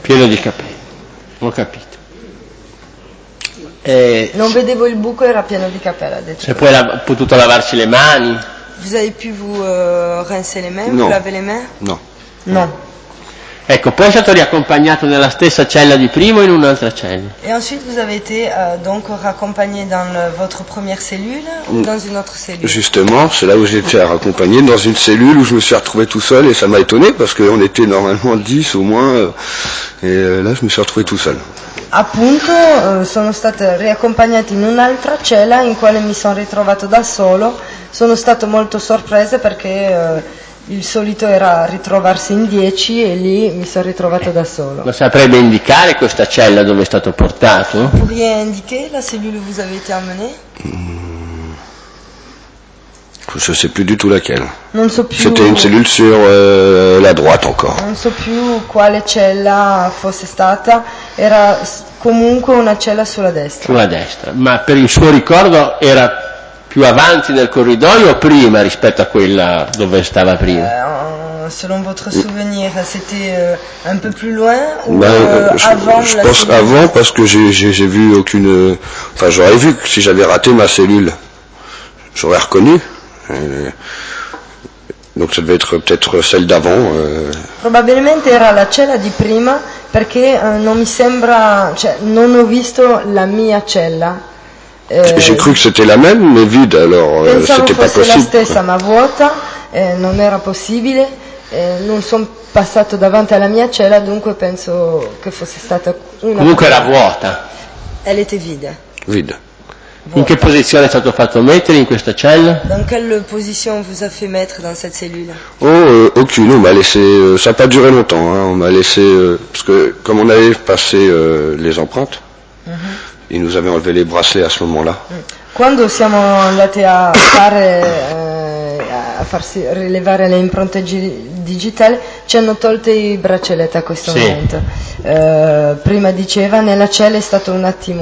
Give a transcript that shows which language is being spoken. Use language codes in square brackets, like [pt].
[it] Pieno di capelli, ho capito. Non vedevo il buco, era pieno di capelli. E poi ha potuto lavarsi le mani. [fr] Vous avez pu vous rincer les mains, vous laver les mains? Non. Non. [it] Ecco, poi è stato riaccompagnato nella stessa cella di prima in un'altra cella. [fr] Et ensuite vous avez été donc raccompagné dans votre première cellule ou dans une autre cellule? Justement, c'est là où j'ai été raccompagné, dans une cellule où je me suis retrouvé tout seul et ça m'a étonné parce qu'on était normalement 10 au moins et là je me suis retrouvé tout seul. [it] Appunto, sono stato riaccompagnato in un'altra cella in quale mi sono ritrovato da solo. Sono stato molto sorpreso perché il solito era ritrovarsi in 10 e lì mi sono ritrovato da solo. Ma saprebbe indicare questa cella dove è stato portato? Potrei indicare la cellula che vi avete amené? [fr] Je ne sais plus du tout laquelle. [it] Non so più. [fr] C'était une cellule sur la droite encore. [it] Non so più quale cella fosse stata. Era comunque una cella sulla destra. Sulla destra. Ma per il suo ricordo era più avanti nel corridoio o prima rispetto a quella dove stava prima? [fr] Selon votre souvenir, c'était un peu plus loin ou avant? Je pense avant parce que j'ai vu aucune. Enfin, j'aurais vu que si j'avais raté ma cellule, j'aurais reconnu. Donc ça devait être peut-être celle d'avant. [it] Probabilmente era la cella di prima perché non mi sembra, cioè non ho visto la mia cella. [fr] J'ai cru que c'était la même mais vide, alors c'était pas possible. [it] Pensavo fosse la stessa ma vuota, non era possibile. Non sono passato davanti alla mia cella, dunque penso che fosse stata una. Comunque era vuota. [fr] Elle était vide. Vide. [it] In che posizione è stato fatto mettere in questa cella? [fr] Dans quelle position vous a fait mettre dans cette cellule? Aucune, on m'a laissé, ça n'a pas duré longtemps, hein. On m'a laissé, parce que comme on avait passé les empreintes, mm-hmm. ils nous avaient enlevé les bracelets à ce moment-là. [it] Quando siamo andati a fare, a farsi rilevare le impronte digitali, ci hanno tolto i braccialetti a questo sì. momento. Prima diceva, nella cella è stato un attimo.